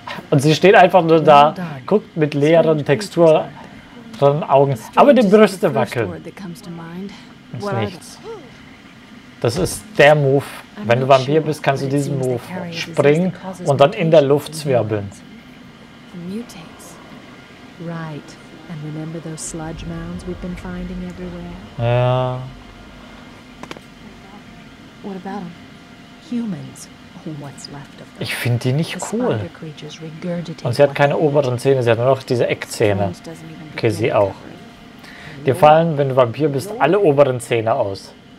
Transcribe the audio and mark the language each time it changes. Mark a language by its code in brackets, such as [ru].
[de] Und sie steht einfach nur da, guckt mit leeren Texturen Augen. Aber die Brüste wackeln. Das ist nichts. Das ist der Move. Wenn du Vampir bist, kannst du diesen Move springen und dann in der Luft zwirbeln. [en] Right. And remember those sludge mounds we've been finding everywhere? Yeah. What about them? Humans, what's left of them? [de] Ich finde die nicht cool. Und sie hat keine oberen Zähne, sie hat nur noch diese Eckzähne. Okay, sie auch. Dir fallen, wenn du Vampir bist, alle oberen Zähne aus.